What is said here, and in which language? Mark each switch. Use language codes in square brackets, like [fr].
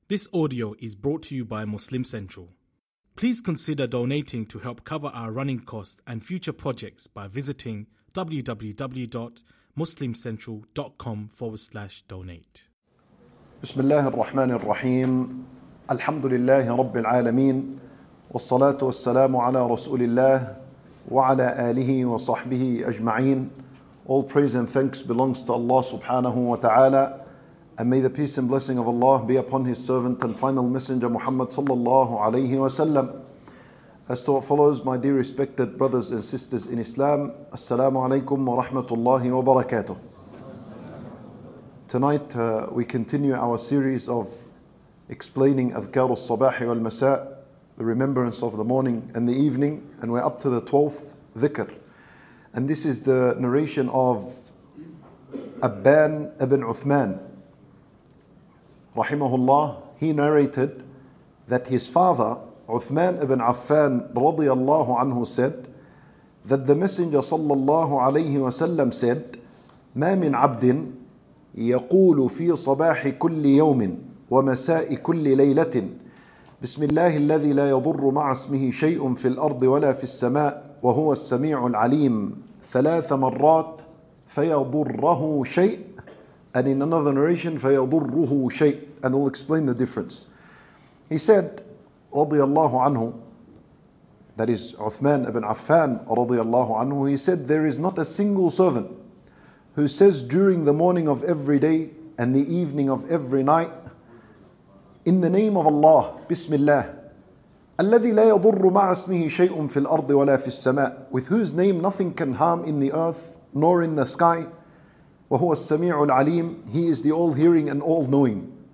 [en] This audio is brought to you by Muslim Central. Please consider donating to help cover our running costs and future projects by visiting www.muslimcentral.com/donate. [ar] بسم الله الرحمن الرحيم الحمد لله رب العالمين والصلاة والسلام على رسول الله وعلى آله وصحبه أجمعين. [en] All praise and thanks belongs to Allah subhanahu wa ta'ala. And may the peace and blessing of Allah be upon His servant and final messenger Muhammad sallallahu alayhi wa sallam. As to what follows, my dear respected brothers and sisters in Islam, Assalamu alaikum wa rahmatullahi wa barakatuh. Tonight we continue our series of explaining Adhkar al-Sabah wal-Masa', the remembrance of the morning and the evening, and we're up to the 12th dhikr. And this is the narration of Abban ibn Uthman. Rahimahullah, he narrated that his father, Uthman ibn Affan radiyallahu anhu, said that the Messenger sallallahu alayhi wa sallam said, [ar] مَا مِنْ عَبْدٍ يَقُولُ فِي صَبَاحِ كُلِّ يَوْمٍ وَمَسَاءِ كُلِّ لَيْلَةٍ بِسْمِ اللَّهِ الَّذِي لَا يَضُرُّ مَعَ اسْمِهِ شَيْءٌ فِي الْأَرْضِ وَلَا فِي السَّمَاءِ وَهُوَ السَّمِيعُ الْعَلِيمُ ثَلَاثَ مَرَّاتٍ فَيَضُرَّهُ شَيْءٌ. [en] And in another narration, [ar] فَيَضُرُّهُ شَيْءٌ. [en] And we'll explain the difference. He said, رضي الله عنه, that is Uthman ibn Affan رضي الله عنه, he said, there is not a single servant who says during the morning of every day and the evening of every night, in the name of Allah, Bismillah, [ar] الَّذِي لَا يَضُرُّ مَعَ اسْمِهِ شَيْءٌ فِي الْأَرْضِ وَلَا فِي السَّمَاءِ, [en] with whose name nothing can harm in the earth nor in the sky, [ar] وَهُوَ السَّمِيعُ الْعَلِيمُ, [en] he is the all-hearing and all-knowing.